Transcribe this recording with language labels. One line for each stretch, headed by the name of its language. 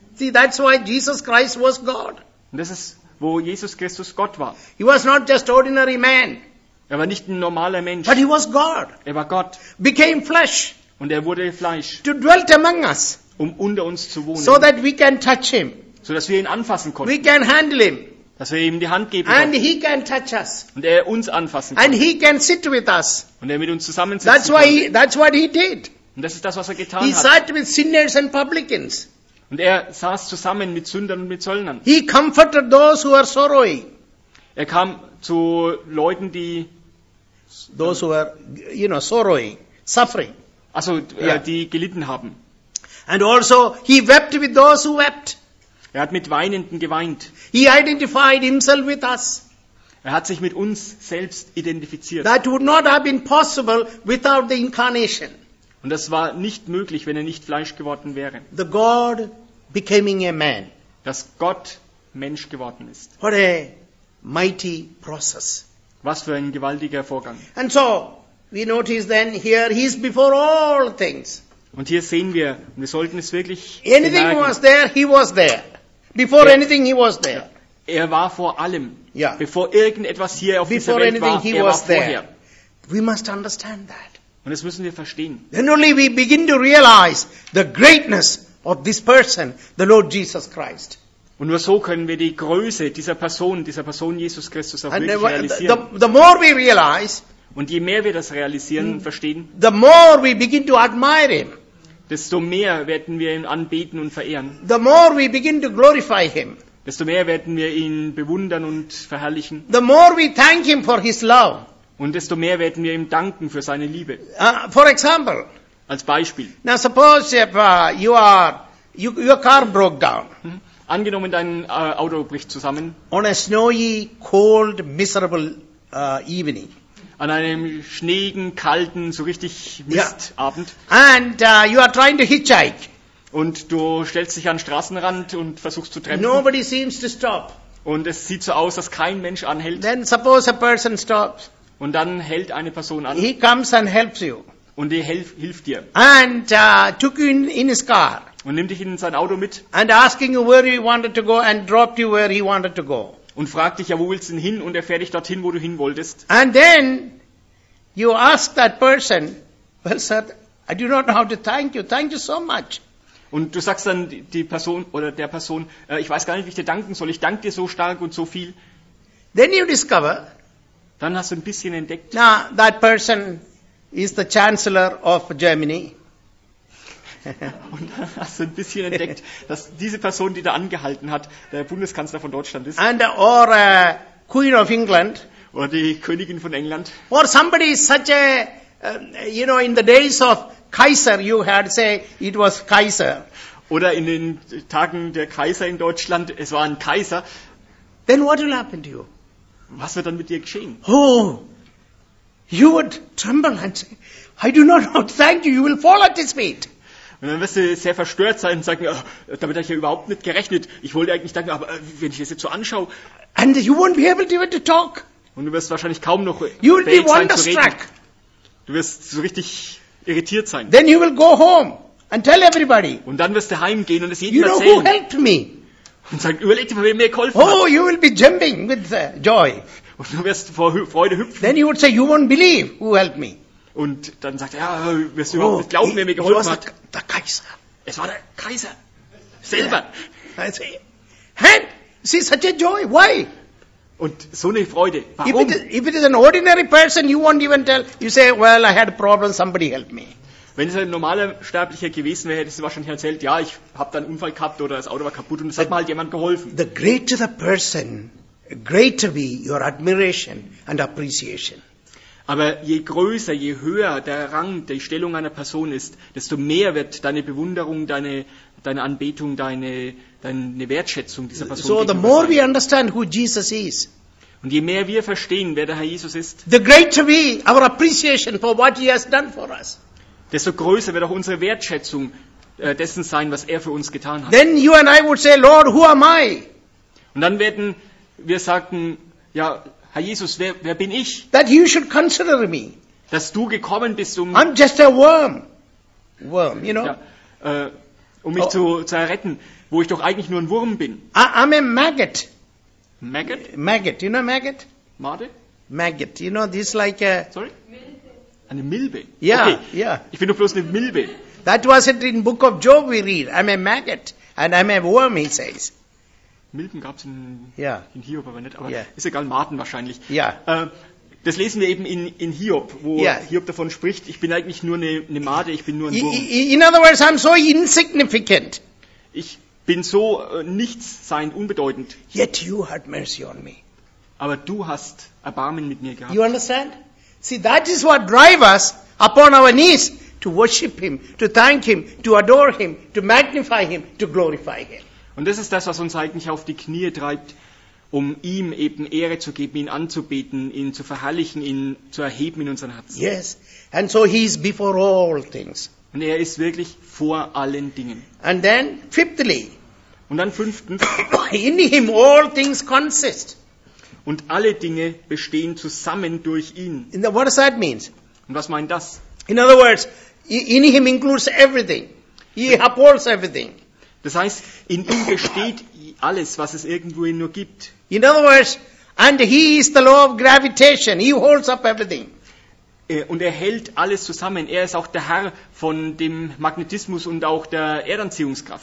English: See, that's why Jesus Christ was God.
German: Und das ist, wo Jesus Christus Gott war.
English: He was not just ordinary man.
German: Er war nicht ein normaler Mensch.
English: But he was God.
German: Er war Gott.
English: Became flesh.
German: Und er wurde Fleisch.
English: To dwell among us.
German: Um unter uns zu wohnen.
English: So that we can touch him.
German: So dass wir ihn anfassen konnten.
English: We can handle him.
German: Dass wir ihm die Hand geben
English: konnten. And he can touch us.
German: Und er uns anfassen
English: konnte. And he can sit with us.
German: Und er mit uns zusammensitzen
English: konnte. That's what he did.
German: Und das ist das, was er getan
English: he
German: hat.
English: He sat with sinners and publicans.
German: Und er saß zusammen mit Sündern und mit Zöllnern.
English: He comforted those who are sorrowing.
German: Er kam zu Leuten, die
English: those who are, you know, sorrowing, suffering.
German: Also yeah. Die gelitten haben.
English: And also he wept with those who wept.
German: Er hat mit Weinenden geweint.
English: He identified himself with us.
German: Er hat sich mit uns selbst identifiziert.
English: That would not have been possible without the incarnation.
German: Und das war nicht möglich, wenn er nicht Fleisch geworden wäre.
English: The God becoming a man.
German: Dass Gott Mensch geworden ist.
English: What a mighty process.
German: Was für ein gewaltiger Vorgang.
English: And so, we notice then here, he is before all things.
German: Und hier sehen wir, und wir sollten es wirklich
English: anything
German: bemerken.
English: Was there, he was there. Before ja. Anything, he was there.
German: Er war vor allem. Ja. Bevor irgendetwas hier auf
English: before
German: dieser Welt
English: anything,
German: war,
English: he
German: er
English: was
German: war
English: there.
German: Vorher.
English: We must understand that.
German: Und das müssen wir verstehen.
English: Then only we begin to realize the greatness of this person, the Lord Jesus Christ.
German: Und nur so können wir die Größe dieser Person Jesus Christus auch wirklich realisieren.
English: The more we realize,
German: und je mehr wir das realisieren und verstehen,
English: the more we begin to admire him.
German: Desto mehr werden wir ihn anbeten und verehren.
English: The more we begin to glorify him.
German: Desto mehr werden wir ihn bewundern und verherrlichen.
English: The more we thank him for his love.
German: Und desto mehr werden wir ihm danken für seine Liebe.
English: For example.
German: Als Beispiel.
English: Now suppose your car broke down.
German: Angenommen, dein Auto bricht zusammen.
English: On a snowy, cold, miserable evening.
German: An einem schneeigen, kalten, so richtig Mistabend.
English: Yeah. And you are trying to hitchhike.
German: Und du stellst dich an den Straßenrand und versuchst zu treffen.
English: Nobody seems to stop.
German: Und es sieht so aus, dass kein Mensch anhält.
English: Then suppose a person stops.
German: Und dann hält eine Person an.
English: He comes and helps you.
German: Und er hilft dir.
English: And took you in his car.
German: Und nimmt dich in sein Auto mit.
English: And asking you where you wanted to go and dropped you where he wanted to go.
German: Und fragt dich, ja, wo willst du denn hin? Und er fährt dich dorthin, wo du hin wolltest.
English: And then you ask that person, well, sir, I do not know how to thank you. Thank you so much.
German: Und du sagst dann die Person oder der Person, ich weiß gar nicht, wie ich dir danken soll. Ich danke dir so stark und so viel.
English: Then you discover.
German: Dann hast du ein bisschen entdeckt.
English: Now that person is the Chancellor of Germany.
German: Und dann hast du ein bisschen entdeckt, dass diese Person, die da angehalten hat, der Bundeskanzler von Deutschland ist.
English: And or Queen of England.
German: Oder die Königin von England.
English: Or somebody such a, you know, in the days of Kaiser, you had say it was Kaiser.
German: Oder in den Tagen der Kaiser in Deutschland, es war ein Kaiser.
English: Then what will happen to you?
German: Was wird dann mit dir geschehen?
English: Oh, you would tremble and say, I do not know, thank you, you will fall at his feet.
German: Und dann wirst du sehr verstört sein und sagen, oh, damit habe ich ja überhaupt nicht gerechnet. Ich wollte eigentlich danken, aber wenn ich das jetzt so anschaue.
English: And you won't be able to even to talk.
German: Und du wirst wahrscheinlich kaum noch
English: you will be wonderstruck.
German: Du wirst so richtig irritiert sein.
English: Then you will go home and tell everybody.
German: Und dann wirst du heimgehen und es jedem
English: you
German: erzählen.
English: You know who helped me.
German: Und sagen, überleg dir, wem mir geholfen oh, hat.
English: Oh, you will be jumping with joy.
German: Und du wirst vor Freude hüpfen.
English: Then you would say, you won't believe who helped me.
German: Und dann sagt er, ja, wirst du überhaupt nicht glauben, wer mir geholfen hat. Der Kaiser. Es war der Kaiser. Selber.
English: Yeah. And see, such a joy. Why?
German: Und so eine Freude. Warum?
English: If it is an ordinary person, you won't even tell. You say, well, I had a problem, somebody helped me.
German: Wenn es ein normaler Sterblicher gewesen wäre, hättest du wahrscheinlich erzählt, ja, ich habe da einen Unfall gehabt oder das Auto war kaputt und es hat mir halt jemand geholfen.
English: The greater the person, greater be your admiration and appreciation.
German: Aber je größer, je höher der Rang, die Stellung einer Person ist, desto mehr wird deine Bewunderung, deine Anbetung, deine Wertschätzung dieser Person.
English: So the more we understand who Jesus is.
German: Und je mehr wir verstehen, wer der Herr Jesus ist.
English: The greater be our appreciation for what he has done for us.
German: Desto größer wird auch unsere Wertschätzung dessen sein, was er für uns getan hat.
English: Then you and I would say, Lord, who am I?
German: Und dann werden wir sagen, ja, Herr Jesus, wer bin ich?
English: That you should consider me.
German: Dass du gekommen bist, um
English: I'm just a worm. Worm, you know?
German: Ja, um mich zu erretten, wo ich doch eigentlich nur ein Wurm bin.
English: I'm a maggot. Maggot? Maggot, you know maggot?
German: Marde?
English: Maggot, you know, this like a...
German: Sorry? Eine Milbe. Ja,
English: okay.
German: Ja. Ich bin doch bloß eine Milbe.
English: That was it in Book of Job we read. I'm a maggot and I'm a worm, he says.
German: Milben gab es in Hiob aber nicht. Aber
English: yeah.
German: Ist egal, Marten wahrscheinlich. Ja. Das lesen wir eben in Hiob, wo Hiob davon spricht, ich bin eigentlich nur eine Made, ich bin nur ein Wurm.
English: In other words, I'm so insignificant.
German: Ich bin so nichtssein, unbedeutend.
English: Yet you had mercy on me.
German: Aber du hast Erbarmen mit mir gehabt.
English: You understand? See, that is what drives us upon our knees to worship him, to thank him, to adore him, to magnify him, to glorify him.
German: Und das ist das, was uns eigentlich auf die Knie treibt, um ihm eben Ehre zu geben, ihn anzubeten, ihn zu verherrlichen, ihn zu erheben in unseren Herzen.
English: Yes, and so he is before all things.
German: Und er ist wirklich vor allen Dingen.
English: And then, fifthly.
German: Und dann fünftens.
English: In him all things consist.
German: Und alle Dinge bestehen zusammen durch ihn.
English: What does that mean?
German: Und was meint das?
English: In other words, in him includes everything. He upholds everything.
German: Das heißt, in ihm besteht alles, was es irgendwo hin nur gibt.
English: In other words, and he is the law of gravitation. He holds up everything.
German: Und er hält alles zusammen. Er ist auch der Herr von dem Magnetismus und auch der Erdanziehungskraft.